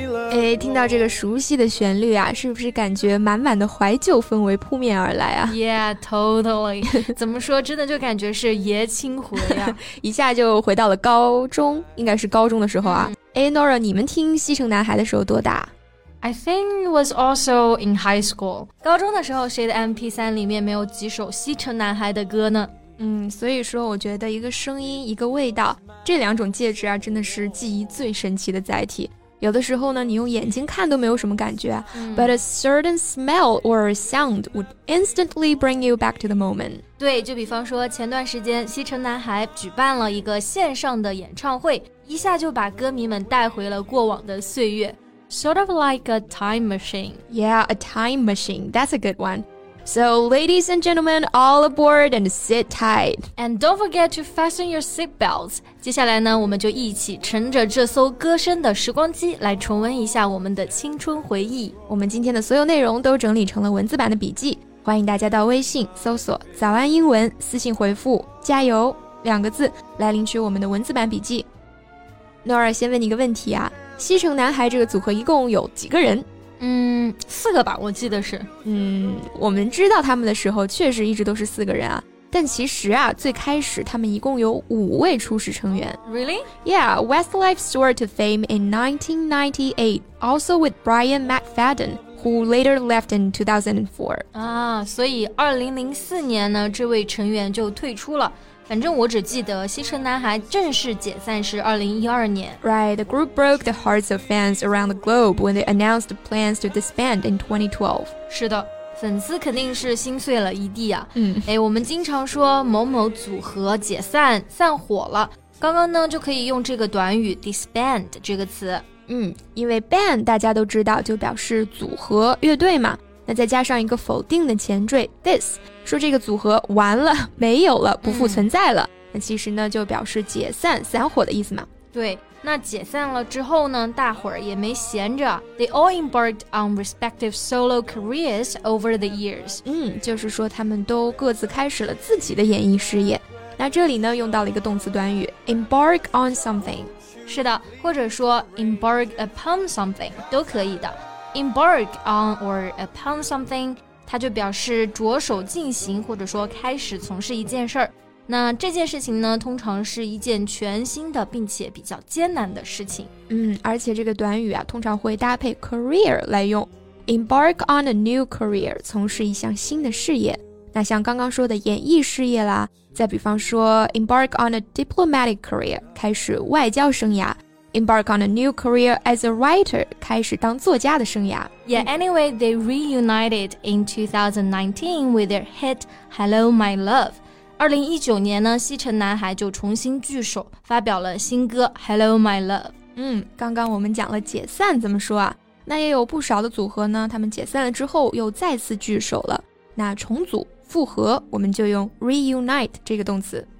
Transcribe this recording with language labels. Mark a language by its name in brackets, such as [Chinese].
[Chinese] 哎，听到这个熟悉的旋律啊，是不是感觉满满的怀旧氛围扑面而来啊？ [English] Yeah, totally. [Chinese] 怎么说，真的就感觉是爷青回啊。一下就回到了高中，应该是高中的时候啊。哎，Nora, 你们听西城男孩的时候多大？ [English] I think it was also in high school. [Chinese] 高中的时候谁的 MP3 里面没有几首西城男孩的歌呢？嗯，所以说我觉得一个声音，一个味道，这两种介质啊，真的是记忆最神奇的载体。有的时候呢，你用眼睛看都没有什么感觉、嗯、 [English] But a certain smell or a sound would instantly bring you back to the moment. [Chinese] 对，就比方说前段时间西城男孩举办了一个线上的演唱会，一下就把歌迷们带回了过往的岁月。 [English] Sort of like a time machine. Yeah, a time machine. That's a good one. So, ladies and gentlemen, all aboard and sit tight. And don't forget to fasten your seatbelts. [Chinese] 接下来呢，我们就一起乘着这艘歌声的时光机来重温一下我们的青春回忆。我们今天的所有内容都整理成了文字版的笔记。欢迎大家到微信搜索早安英文，私信回复加油两个字来领取我们的文字版笔记。 Nora, 先问你一个问题啊。西城男孩这个组合一共有几个人？四个吧，我记得是。嗯，我们知道他们的时候确实一直都是四个人啊，但其实啊，最开始他们一共有五位初始成员。 [English] Really? Yeah, Westlife soared to fame in 1998, also with Brian McFadden, who later left in 2004. [Chinese] 啊，所以2004年呢，这位成员就退出了。反正我只记得西城男孩正式解散是2012年。 [English] Right, the group broke the hearts of fans around the globe when they announced plans to disband in 2012. [Chinese] 是的，粉丝肯定是心碎了一地啊。嗯，哎，我们经常说某某组合解散、散伙了，刚刚呢就可以用这个短语 disband 这个词。嗯，因为 band 大家都知道就表示组合、乐队嘛。那再加上一个否定的前缀 this， 说这个组合完了，没有了，不复存在了、嗯、那其实呢就表示解散、散伙的意思嘛。对，那解散了之后呢，大伙儿也没闲着， [English] They all embarked on respective solo careers over the years。 [Chinese] 嗯，就是说他们都各自开始了自己的演艺事业。那这里呢用到了一个动词短语 [English] embark on something。 [Chinese] 是的，或者说 [English] embark upon something [Chinese] 都可以的。 [English] Embark on or upon something， [Chinese] 它就表示着手进行或者说开始从事一件事儿。那这件事情呢，通常是一件全新的并且比较艰难的事情。嗯，而且这个短语啊，通常会搭配 career 来用。 [English] Embark on a new career， [Chinese] 从事一项新的事业。那像刚刚说的演艺事业啦，再比方说 [English] embark on a diplomatic career， [Chinese] 开始外交生涯。 [English] Embark on a new career as a writer, [Chinese] 开始当作家的生涯。 [English] Yeah, anyway, they reunited in 2019 with their hit Hello My Love. [Chinese] 2019年呢，西城男孩就重新聚首，发表了新歌 Hello My Love. 嗯，刚刚我们讲了解散怎么说啊，那也有不少的组合呢，他们解散了之后又再次聚首了。那重组、复合，我们就用 reunite 这个动词。